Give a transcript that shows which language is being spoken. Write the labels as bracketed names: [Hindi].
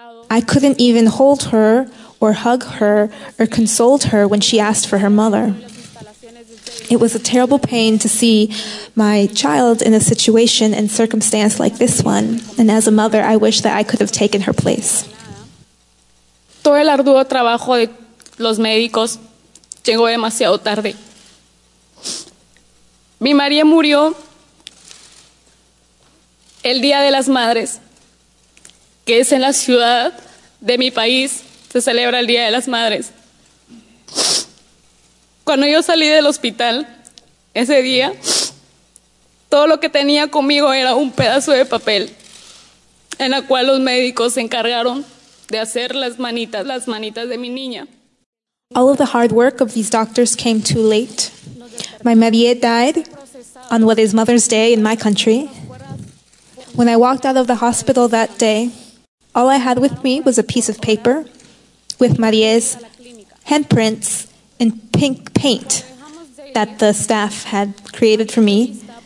[English] I couldn't even hold her or hug her or console her when she asked for her mother. It was a terrible pain to see my child in a situation and circumstance like this one. And as a mother, I wish that I could have taken her place. [Spanish] Todo el arduo trabajo de los médicos llegó demasiado tarde. Mi María murió el Día de las Madres, que es en la ciudad de mi país, se celebra el Día de las Madres. Cuando yo salí del hospital ese día, todo lo que tenía conmigo era un pedazo de papel en la cual los médicos se encargaron de hacer las manitas de mi niña. [English] All of the hard work of these doctors came too late. My María died on what is Mother's Day in my country. When I walked out of the hospital that day, all I had with me was a piece of paper with Marie's handprints in pink paint that the staff had created for me.